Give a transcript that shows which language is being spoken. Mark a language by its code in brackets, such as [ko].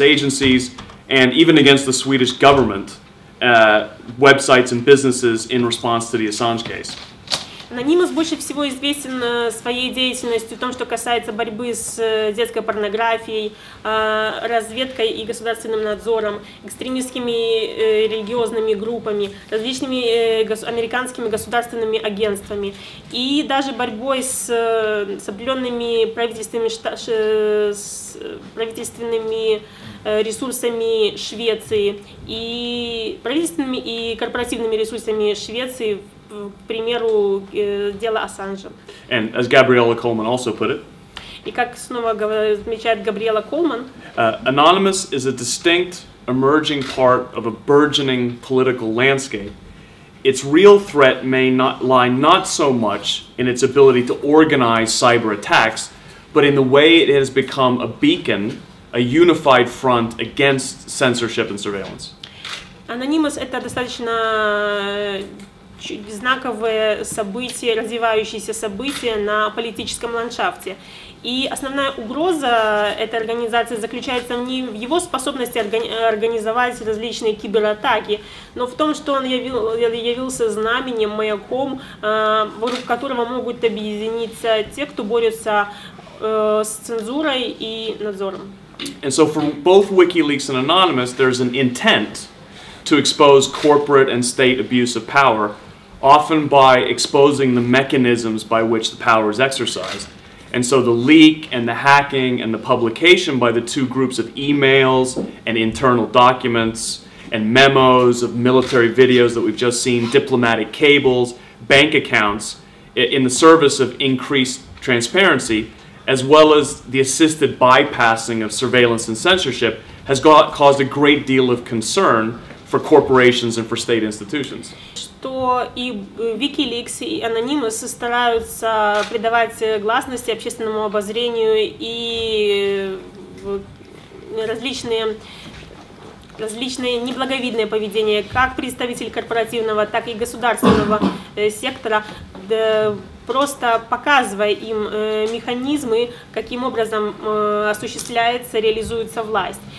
[en] agencies, and even against the Swedish government, websites and businesses in response to the Assange case. [ru] Anonymous больше всего известен своей деятельностью в том, что касается борьбы с детской порнографией, разведкой и государственным надзором, экстремистскими религиозными группами, различными американскими государственными агентствами и даже борьбой с определенными правительственными ресурсами Швеции и правительственными и корпоративными ресурсами Швеции. К примеру, дело Ассанжа. [en] And as Gabriella Coleman also put it, [ru] и как снова замечает Габриэла Колман, [en] Anonymous is a distinct emerging part of a burgeoning political landscape. Its real threat may not lie not so much in its ability to organize cyber attacks, but in the way it has become a beacon, a unified front against censorship and surveillance. [ru] Anonymous — это достаточно знаковые события, развивающиеся события на политическом ландшафте. И основная угроза этой организации заключается не в его способности организовать различные кибератаки, но в том, что он явился знаменем, маяком, вокруг которого могут объединиться те, кто борется с цензурой и надзором. [en] And so for both WikiLeaks and Anonymous, there's an intent to expose corporate and state abuse of power, often by exposing the mechanisms by which the power is exercised. And so the leak and the hacking and the publication by the two groups of emails and internal documents and memos of military videos that we've just seen, diplomatic cables, bank accounts, in the service of increased transparency, as well as the assisted bypassing of surveillance and censorship, has caused a great deal of concern for corporations and for state institutions. [ru] Что и WikiLeaks, и Anonymous стараются придавать гласности общественному обозрению и различные неблаговидные поведения как представителей корпоративного, так и государственного сектора, просто показывая им механизмы, каким образом осуществляется, реализуется власть.